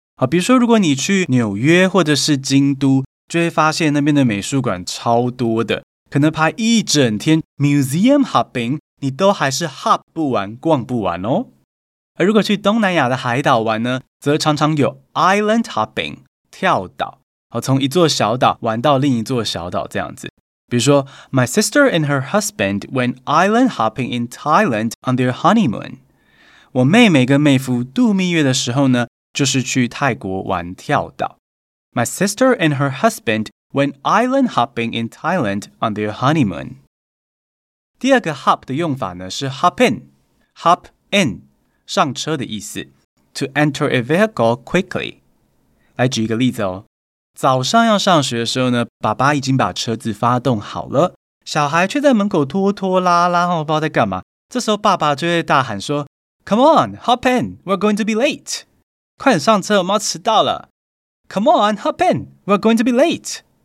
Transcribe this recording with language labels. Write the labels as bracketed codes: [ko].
[zh] 比如说如果你去纽约或者是京都, 就会发现那边的美术馆超多的, 可能排一整天 [en] museum hopping, [zh] 你都还是hop不完、逛不完哦。而如果去东南亚的海岛玩呢, 则常常有 [en] island hopping, [zh] 跳岛。从一座小岛玩到另一座小岛这样子。比如说, [en] My sister and her husband went island hopping in Thailand on their honeymoon. [zh] 我妹妹跟妹夫度蜜月的时候呢, 就是去泰国玩跳岛。 [en] My sister and her husband went island hopping in Thailand on their honeymoon. [zh] 第二个hop的用法呢, 是 [en] hop in, hop in, [zh] 上车的意思, [en] to enter a vehicle quickly. [zh] 来举一个例子哦。早上要上学的时候呢, 爸爸已经把车子发动好了, 小孩却在门口拖拖拉拉, 不知道在干嘛, 这时候爸爸就会大喊说, [en] Come on, hop in, we're going to be late. [zh] 快点上车, 我们要迟到了。 [en] Come on, hop in, we're going to be late.